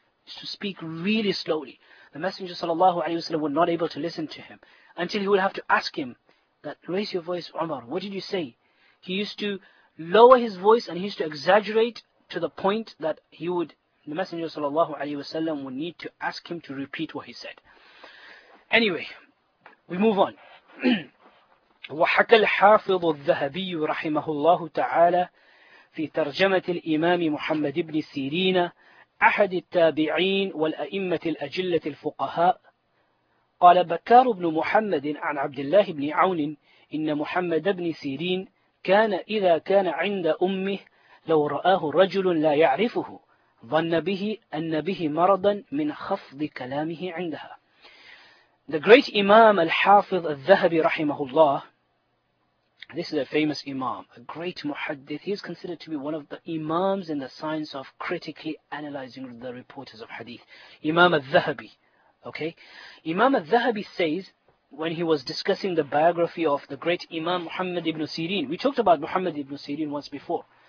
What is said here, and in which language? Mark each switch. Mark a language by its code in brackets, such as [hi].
[en] He used to speak really slowly. The messenger sallallahu alayhi wa sallam were not able to listen to him until he would have to ask him, that raise your voice, Umar, what did you say? He used to lower his voice and he used to exaggerate to the point that the Messenger sallallahu alayhi wa sallam would need to ask him to repeat what he said. Anyway, we move on. [ar] وَحَكَى الْحَافِظُ الذَّهَبِيُّ رَحِمَهُ اللَّهُ تَعَالَى فِي تَرْجَمَةِ الْإِمَامِ مُحَمَّدِ بْنِ سِيرِينَ أَحَدِ التَّابِعِينَ وَالْأَئِمَّةِ الْأَجِلَّةِ الْفُقَهَاءِ قال بكار بن محمد عن عبد الله بن عون إن محمد بن سيرين كان إذا كان عند أمه لو رآه رجل لا يعرفه ظن به أن به مرضا من خفض كلامه عندها. [en] The great Imam Al-Hafidh Al-Dhahabi [ar] رحمه الله. [en] This is a famous Imam, a great muhaddith. He is considered to be one of the Imams in the science of critically analyzing the reporters of hadith. Imam Al-Dhahabi. Okay, Imam al-Dhahabi says, when he was discussing the biography of the great Imam Muhammad ibn Sirin, we talked about Muhammad ibn Sirin once before.